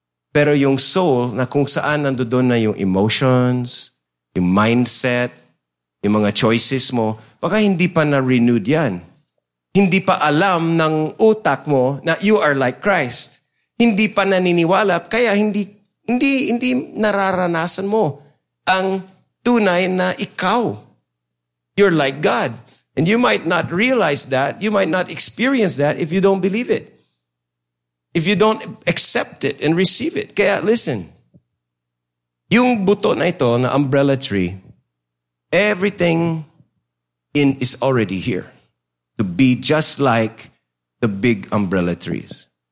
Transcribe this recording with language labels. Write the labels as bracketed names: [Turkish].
[Filipino] Pero yung soul, na kung saan nandoon na yung emotions, yung mindset, yung mga choices mo, baka hindi pa na-renewed yan. Hindi pa alam ng utak mo na [English] you are like Christ. [Filipino] Hindi pa naniniwala, kaya hindi nararanasan mo ang tunay na ikaw. [English] You're like God. And you might not realize that, you might not experience that if you don't believe it. If you don't accept it and receive it. Kaya listen, [Filipino] yung buto na ito, na [English] umbrella tree, everything is already here to be just like the big umbrella trees.